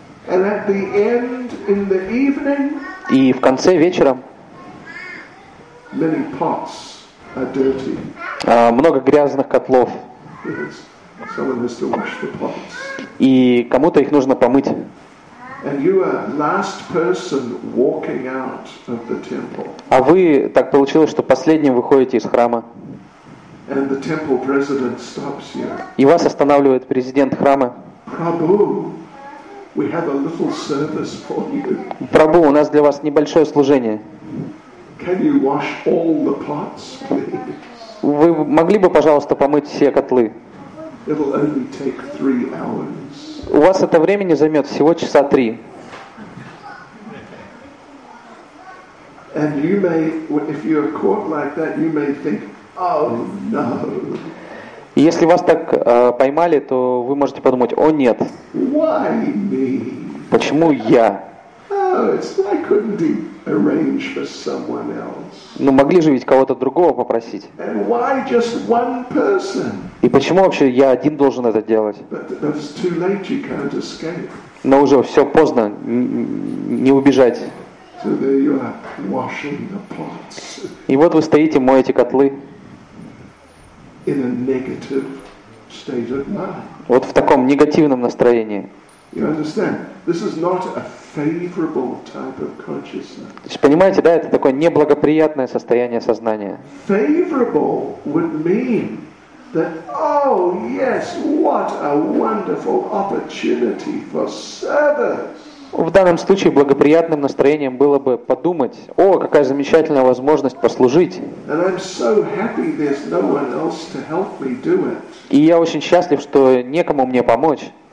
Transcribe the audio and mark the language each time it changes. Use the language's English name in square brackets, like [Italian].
[English] And at the end, in the evening, [Russian] и в конце вечером [English] many pots are dirty. [Russian] Много грязных котлов. [English] Yes. Someone has to wash the pots. [Russian] И кому-то их нужно помыть. [English] And you are last person walking out of the temple. [Russian] А вы так получилось, что последним выходите из храма. [English] And the temple president stops you. [Russian] И вас останавливает президент храма. [English] Prabhu, we have a little service for you. [Russian] Прабу, у нас для вас небольшое служение. [English] Can you wash all the pots, please? [Russian] Вы могли бы, пожалуйста, помыть все котлы? [English] It'll only take 3 hours. [Russian] У вас это времени займет всего часа 3. [English] And you may, if you're caught like that, you may think, oh no. [Russian] Если вас так поймали, то вы можете подумать: «О, нет! [English] Why me? [Russian] Почему я?» [English] Oh, it's like, couldn't he arrange for someone else? [Russian] Ну, могли же ведь кого-то другого попросить. [English] And why just one person? [Russian] И почему вообще я один должен это делать? [English] But it's too late, you can't escape. [Russian] Но уже все поздно, не убежать. [English] So there you are, washing the pots. [Russian] И вот вы стоите, моете котлы. [English] In a negative state of mind. [Russian] Вот в таком негативном настроении. [English] You understand? This is not a favorable type of consciousness. [Russian] То есть, понимаете, да, это такое неблагоприятное состояние сознания. [English] Favorable would mean that, oh yes, what a wonderful opportunity for service. [Russian] В данном случае благоприятным настроением было бы подумать: о, какая замечательная возможность послужить. И я очень счастлив, что некому мне помочь.